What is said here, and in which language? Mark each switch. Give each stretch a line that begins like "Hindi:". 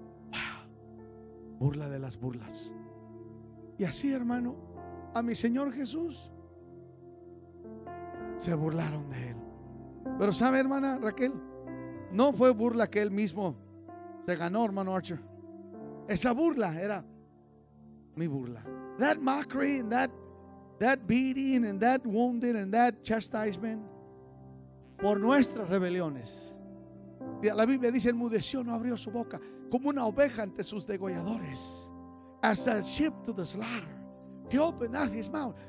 Spanish: ¡Wow! Burla de las burlas. Y así, hermano, a mi Señor Jesús se burlaron de él. Pero sabe, hermana Raquel, no fue burla que él mismo se ganó, hermano Archer. Esa burla era mi burla.
English: That mockery and that beating and that wounding and that chastisement
Spanish: por nuestras rebeliones. La Biblia dice, enmudeció, no abrió su boca, como una oveja ante sus degolladores.
English: As a sheep to the slaughter, he opened not his mouth.